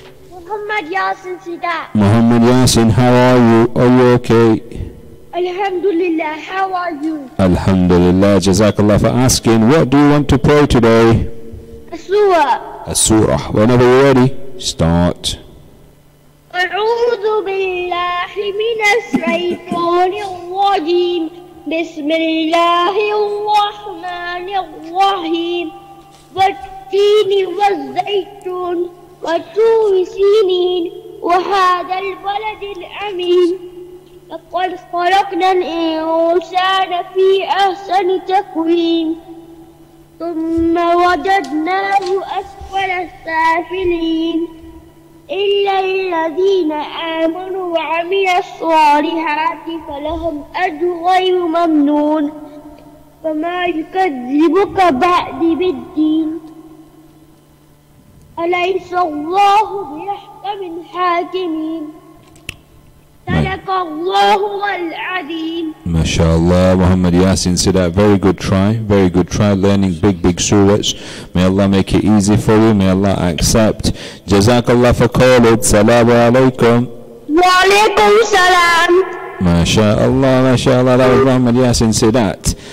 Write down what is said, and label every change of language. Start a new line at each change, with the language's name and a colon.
English: Muhammad Yasin Sidat. Muhammad Yasin, how are you? Are you okay? Alhamdulillah, how are you? Alhamdulillah, jazakallah for asking. What do you want to pray today? A surah. A surah. Whenever you're ready, start.
Arabic: A'udhu بالله من الشيطان الرجيم. بسم الله الرحمن الرحيم. والتين والزيتون وطور سينين وهذا البلد الأمين. لقد خلقنا الإنسان في أحسن تقويم ثم وجدناه أسفل السافلين إلا الذين آمنوا وعملوا الصالحات فلهم أجر غير ممنون. فما يكذبك بعد بالدين. أليس الله بأحكم الحاكمين. صدق الله العظيم. ما شاء الله.
English: Muhammad Yasin said that. Very good try learning big surahs. May Allah make it easy for you. May Allah accept. Jazakallah for calling. Salaamu alaikum. Wa alaikum salam. Masha'Allah, that was Muhammad Yasin Sadat.